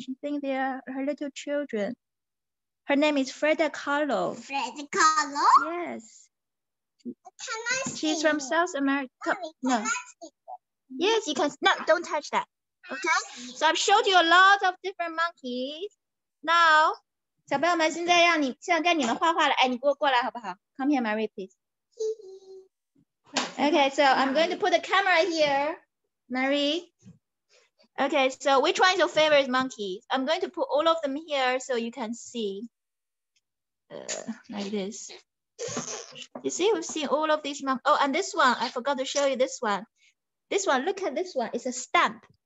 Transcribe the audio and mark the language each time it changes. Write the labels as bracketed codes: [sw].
[en] She thinks they are her little children. Her name is Frida, kahlo. Frida, kahlo? Yes. Can I see She's from South America. Mommy, no. Yes, you can. No, don't touch that. Okay? So I've showed you a lot of different monkeys. [zh] Now, 小朋友们现在让你现在该你们画画了。哎，你给我过来好不好? [en] Come here, Marie, please. Okay, so I'm going to put the camera here. Marie. Okay, so which one is your favorite monkey? I'm going to put all of them here so you can see. Like this. You see, we've seen all of these monkeys. Oh, and this one, I forgot to show you this one. This one, look at this one. It's a stamp.